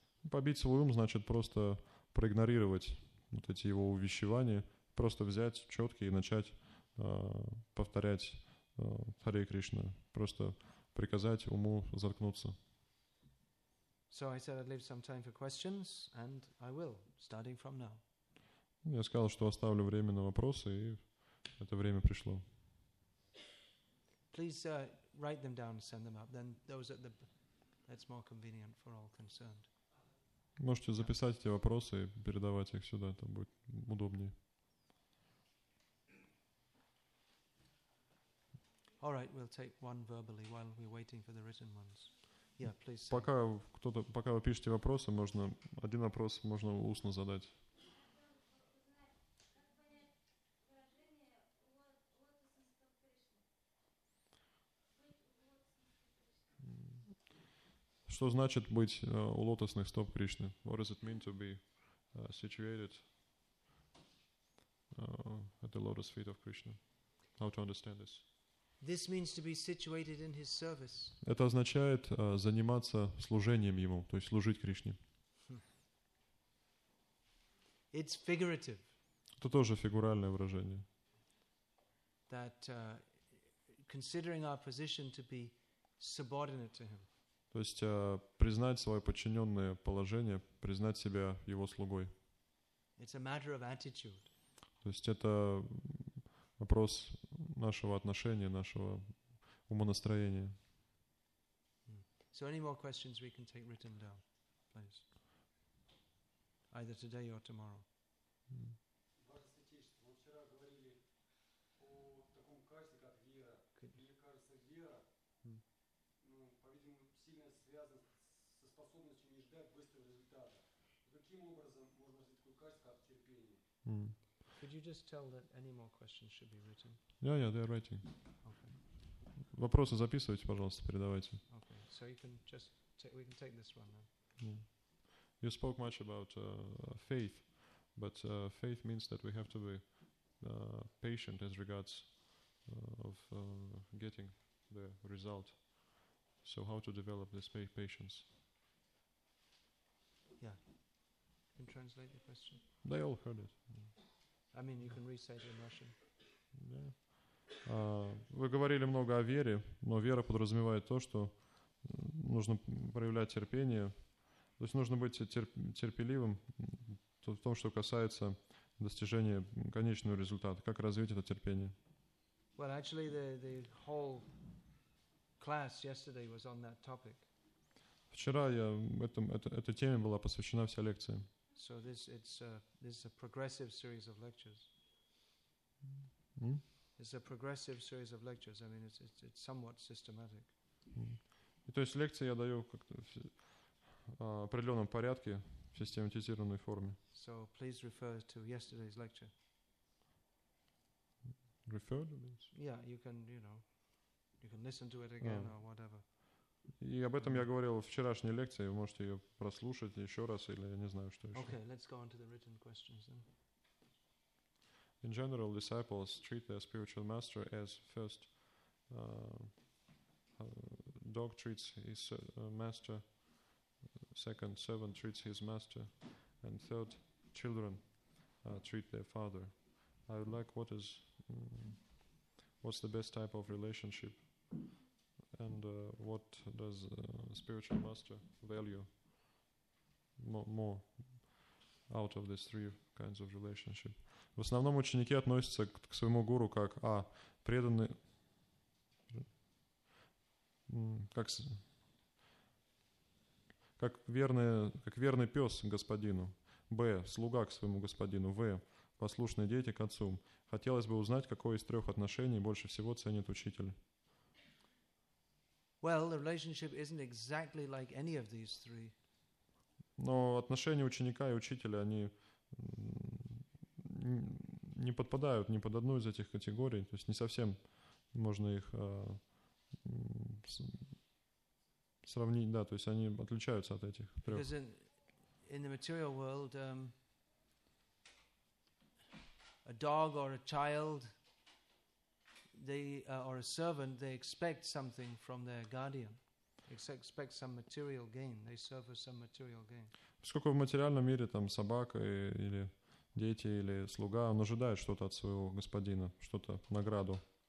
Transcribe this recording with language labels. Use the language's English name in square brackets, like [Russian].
[Russian] Побить свой ум значит просто проигнорировать вот эти его увещевания, просто взять четкие и начать повторять Харе Кришна, просто приказать уму заткнуться. [English] So I said I'd leave some time for questions, and I will, starting from now. [Russian] Я сказал, что оставлю время на вопросы, и это время пришло. [English] Please write them down, send them up. Then those at the that's more convenient for all concerned. [Russian] Можете записать эти вопросы и передавать их сюда, это будет удобнее. [English] All right, we'll take one verbally while we're waiting for the written ones. Yeah, please. [Russian] Пока вы пишете вопросы, можно один вопрос можно устно задать. Что значит быть у лотосных стоп Кришны? [English] What does it mean to be situated at the lotus feet of Krishna? How to understand this? This means to be situated in his service. [Russian] Это означает заниматься служением ему, то есть служить Кришне. [English] It's figurative. [Russian] Это тоже фигуральное выражение. [English] That considering our position to be subordinate to him. [Russian] То есть признать свое подчиненное положение, признать себя его слугой. [English] It's a matter of attitude. [Russian] То есть это вопрос нашего отношения, нашего умонастроения. [English] So any more questions we can take written down, please. Either today or tomorrow. Could you just tell that any more questions should be written? Yeah, they are writing. [Russian] Вопросы записывайте, пожалуйста, передавайте. [English] Okay, so you can just we can take this one then. You spoke much about faith, but faith means that we have to be patient as regards of getting the result. So how to develop this patience? Yeah. Can translate the question? They all heard it. I mean, you can re-say it in Russian. Yeah. [Russian] Вы говорили много о вере, но вера подразумевает то, что нужно проявлять терпение. То есть нужно быть терпеливым в том, что касается достижения конечного результата. Как развить это терпение? [English] Well, actually, the whole class yesterday was on that topic. [Russian] Вчера я этой теме была посвящена вся лекция. [English] So this is a progressive series of lectures. It's a progressive series of lectures. I mean, it's somewhat systematic. [Russian] То есть лекции я даю как-то в определенном порядке, в систематизированной форме. [English] So please refer to yesterday's lecture. Refer to this? Yeah, you can listen to it again or whatever. [Russian] И об этом я говорил в вчерашней лекции. Вы можете ее прослушать еще раз, или я не знаю, что еще. [English] Okay, let's go on to the written questions then. In general, disciples treat their spiritual master as first dog treats his master, second servant treats his master, and third children treat their father. I would like what is what's the best type of relationship, and what does a spiritual master value more out of these three kinds of relationship? [Russian] В основном ученики относятся к своему гуру как а преданный, как верный пес господину, б слуга к своему господину, в послушные дети к отцу. Хотелось бы узнать, какое из трех отношений больше всего ценит учитель. [English] Well, the relationship isn't exactly like any of these three. [Russian] Но отношения ученика и учителя, они не подпадают ни под одну из этих категорий, то есть не совсем можно их сравнить, да, то есть они отличаются от этих трех. [English] Because in the material world, a dog or a child, they or a servant, they expect something from their guardian. Expect some material gain. They serve for some material gain. [Russian] Поскольку в материальном мире там собака или дети или слуга, он ожидает что-то от своего господина, что-то награду.